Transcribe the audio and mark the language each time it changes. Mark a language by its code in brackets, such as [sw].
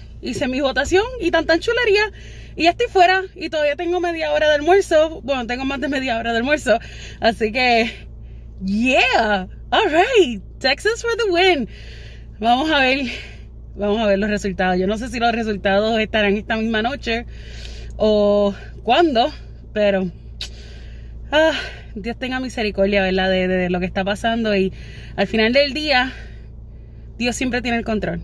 [es] hice mi votación y tanta chulería. Y estoy fuera y todavía tengo media hora de almuerzo. Bueno, tengo más de media hora de almuerzo. Así que, [en] yeah, all right, Texas for the win. [es] Vamos a ver los resultados. Yo no sé si los resultados estarán esta misma noche o cuándo, pero Dios tenga misericordia, ¿verdad? De lo que está pasando. Y al final del día, Dios siempre tiene el control.